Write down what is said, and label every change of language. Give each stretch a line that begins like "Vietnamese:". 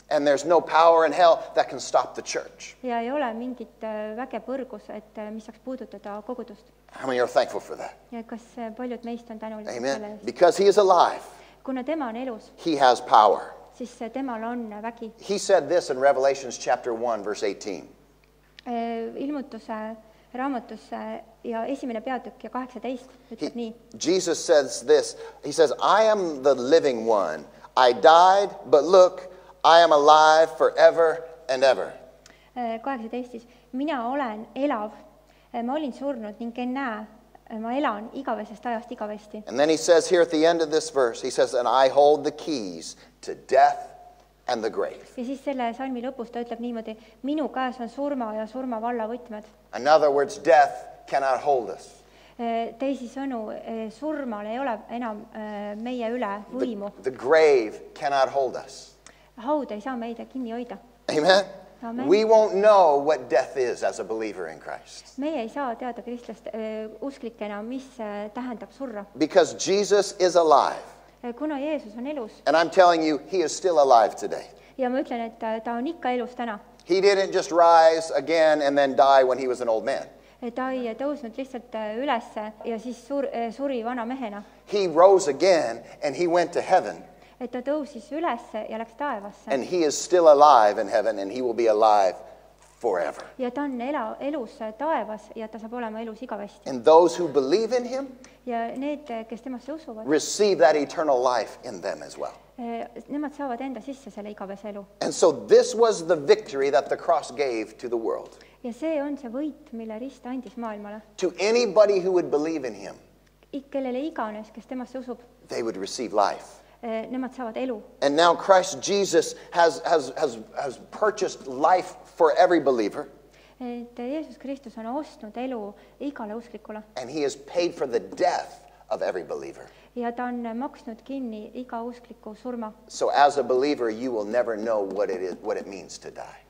English: And there's no power in hell that can stop the church.
Estonian: Ja ei ole mingit väge põrgus, et mis saaks puudutada kogudust.
English: How many are thankful for that?
Estonian: Ja kas paljud meist on tänulikud selle eest?
English: Amen. Because he is alive.
Estonian: Kuna tema on elus.
English: He has power.
Estonian: Siis temal on vägi.
English: He said this in Revelation chapter 1 verse 18.
Estonian: Ilmutuse raamatus ja esimene peatükk ja 18 ütleb nii.
English: Jesus says this. He says, I am the living one. I died, but look, I am alive forever and ever.
Estonian: 18. Mina olen elav. Ma olin surnud ning en näe. Ma elan igavesest ajast igavesti.
English: And then he says here at the end of this verse, he says, and I hold the keys to death and the grave.
Estonian: Ja siis selle salmi lõpus ta ütleb niimoodi, minu käes on surma ja surma valla võtmed.
English: In other words, death cannot hold us.
Estonian: Teisi sõnu, surmal ei ole enam meie üle võimu.
English: The grave cannot hold us.
Estonian: Haude ei saa meide kinni hoida.
English: Amen. We won't know what death is as a believer in Christ.
Estonian: Meie ei saa teada kristlast usklikena, mis tähendab surra.
English: Because Jesus is alive.
Estonian: Kuna Jeesus on elus.
English: And I'm telling you, he is still alive today.
Estonian: Ja ma ütlen, et ta on ikka elus täna.
English: He didn't just rise again and then die when he was an old man.
Estonian: Ta ei tõusnud lihtsalt üles ja siis suri vana mehena.
English: He rose again and he went to heaven.
Estonian: Et ta tõusis üles ja läks taevasse.
English: And he is still alive in heaven and he will be alive forever.
Estonian: Ja ta on elus taevas ja ta saab olema elus igavesti.
English: And those who believe in him,
Estonian: ja need, kes temasse usuvad,
English: receive that eternal life in them as well.
Estonian: Nemad saavad enda sisse selle igavese elu.
English: And so this was the victory that the cross gave to the world.
Estonian: Ja see on see võit, mille rist andis maailmale.
English: To anybody who would believe in him,
Estonian: kellele iganes, kes temasse usub,
English: they would receive life.
Estonian: Nemad saavad elu.
English: And now Christ Jesus has purchased life for every believer.
Estonian: Et Jeesus Kristus on ostnud elu igale usklikule.
English: And he has paid for the death of every believer.
Estonian: Ja ta on maksnud kinni iga uskliku surma.
English: So as a believer you will never know what it means to die.